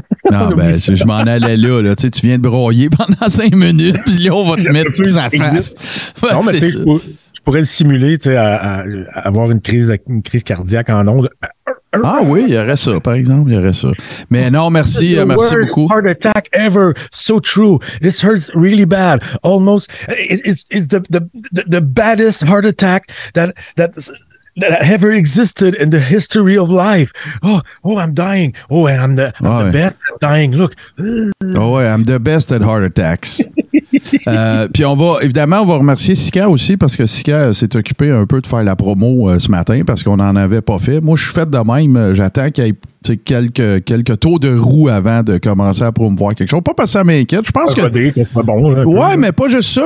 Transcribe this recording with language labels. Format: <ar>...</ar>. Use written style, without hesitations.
<fr>Non, ben, je m'en allais là. Tu sais, tu viens de broyer pendant 5 minutes, puis là, on va te mettre sa face. Ouais, non, mais tu sais, je pourrais le simuler, tu sais, à avoir une crise cardiaque en onde. Ah oui, il y aurait ça, par exemple, il y aurait ça. Mais non, merci, the merci</fr> <en>worst</en> <fr>beaucoup.</fr> <en>Heart attack ever, so true. This hurts really bad. Almost, it's the baddest heart attack that ever existed in the history of life. Oh, I'm dying. Oh, and I'm the best at dying. Look. Oh ouais, I'm the best at heart attacks.</en> <fr>Puis on va, évidemment, on va remercier Sika aussi parce que Sika s'est occupé un peu de faire la promo ce matin parce qu'on n'en avait pas fait. Moi, je suis fait de même. J'attends qu'il y ait quelques tours de roue avant de commencer à promouvoir quelque chose. Pas parce que ça m'inquiète. Je pense que... Ouais, mais pas juste ça.</fr>